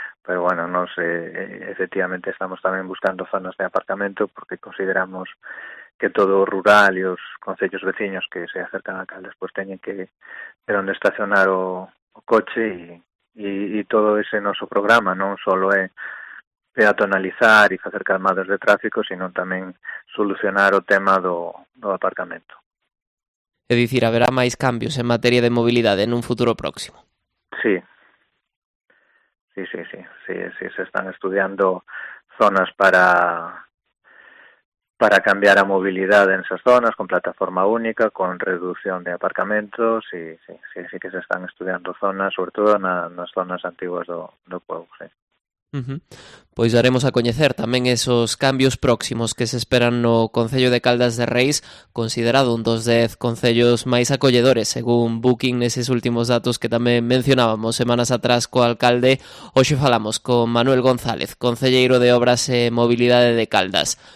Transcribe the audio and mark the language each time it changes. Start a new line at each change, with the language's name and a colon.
Spanish: Pero bueno, no sé, efectivamente estamos también buscando zonas de aparcamiento porque consideramos que todo rural y los concellos vecinos que se acercan a Caldas pues tienen que de donde estacionar o coche y todo ese
Galician: noso programa non solo é peatonalizar e facer calmados de tráfico, sino tamén solucionar o tema do aparcamento. É dicir, haberá máis cambios en materia de mobilidade nun futuro próximo.
Spanish: Sí, se están estudiando zonas para cambiar a mobilidade en esas zonas con plataforma única, con reducción de aparcamentos, sí que se están estudiando zonas, sobre todo
Galician: nas zonas antiguas do pueblo,
Spanish: sí.
Galician: Pois daremos a coñecer tamén esos cambios próximos que se esperan no Concello de Caldas de Reis, considerado un dos 10 concellos máis acolledores, según Booking, neses últimos datos que tamén mencionábamos semanas atrás co alcalde. Hoxe falamos con Manuel González, concelleiro de Obras e Mobilidade de Caldas.